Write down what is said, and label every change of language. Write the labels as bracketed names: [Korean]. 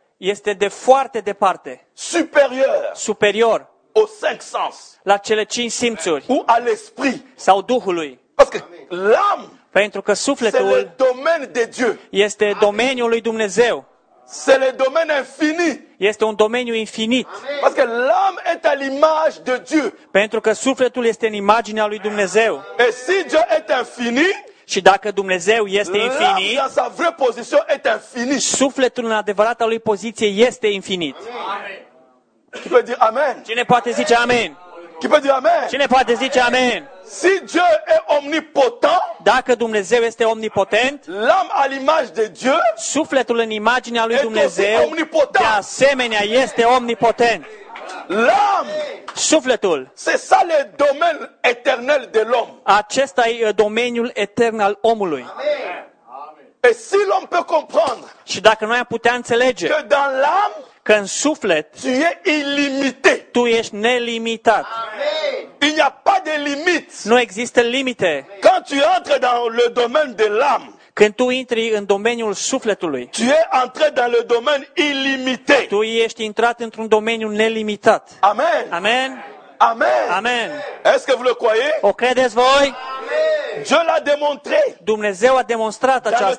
[Romanian] Este de foarte departe. Superior. Superior. [French] Au cinq sens. [Romanian] La cele cinci simțuri. [French] Ou à l'esprit. [Romanian] Sau Duhului. [French] Parce que l'âme. [Romanian] Pentru că sufletul. [French] C'est le domaine de Dieu. [Romanian] Este domeniul lui Dumnezeu. [French] C'est le domaine infini. [Romanian] Este un domeniu infinit. Amen. [French] Parce que l'âme est à l'image de Dieu. [Romanian] Pentru că sufletul este în imaginea lui Dumnezeu. [French] Et si Dieu est infini. [Romanian] Și dacă Dumnezeu este infinit, [French] l'âme dans sa vraie position est infini. [Romanian] Sufletul în adevărata lui poziție este infinit. [French] Amen. Qui peut dire amen? [Romanian] Cine poate zice amen? [French] Qui peut dire amen? [Romanian] Cine poate zice amen? [French] Si Dieu est omnipotent, [Romanian] dacă Dumnezeu este omnipotent, [French] l'âme à l'image de Dieu, [Romanian] sufletul în imaginea lui Dumnezeu, [French] omnipotent. [Romanian] De asemenea este omnipotent. [French] L'âme, [Romanian] sufletul. [French] C'est ça le domaine éternel de l'homme. [Romanian] Acesta e domeniul etern al omului. [French] Amen. Amen. Et si l'homme peut comprendre? [Romanian] Și dacă noi am putea înțelege? [French] Que dans l'âme, [Romanian] că în suflet, [French] tu es illimité. [Romanian] Tu ești nelimitat. [French] Amen. Il n'y a pas de limites. [Romanian] Nu există limite. Amen. [French] Quand tu entres dans le domaine de l'âme, [Romanian] când tu intri în domeniul sufletului, [French] tu es entré dans le domaine illimité. [Romanian] Tu ești intrat într-un domeniu nelimitat. Amen. Amen. Amen. Amen. [French] Est-ce que vous le croyez? [Romanian] O credeți voi? [French] Amen. Dieu l'a démontré. [Romanian] Dumnezeu a demonstrat aceasta.